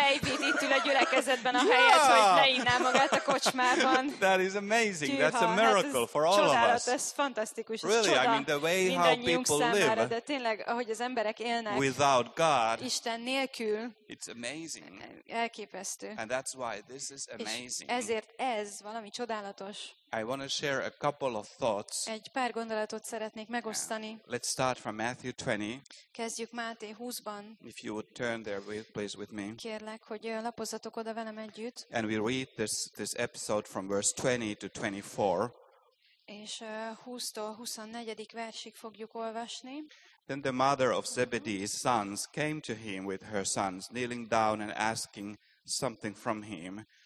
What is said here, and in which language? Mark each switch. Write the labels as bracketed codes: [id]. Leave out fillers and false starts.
[hu] Pavi itt ül a gyülekezetben a helyet, yeah. Hogy leinná magát a kocsmában. [en] That is amazing. Tűha, that's a miracle for all of us. [hu] Ez fantasztikus. [en] Really, I mean the way how people live. [hu] De tényleg, ahogy az emberek élnek. [en] Without God. [hu] Isten nélkül. [en] It's amazing. [hu] Elképesztő. [en] And that's why this is amazing. [hu] És ezért ez valami csodálatos. [en] I want to share a couple of thoughts. [hu] Egy pár gondolatot szeretnék megosztani. [en] Let's start from Matthew 20. [hu] Kezdjük Máté 20-ban. [en] If you would turn there with, please with me. [hu] Kérlek, hogy lapozzatok oda velem együtt. [en] And we read this episode from verse 20 to 24. [hu] És 20-tól 24. versig fogjuk olvasni. [en] Then the mother of Zebedee's sons came to him with her sons, kneeling down and asking something from him.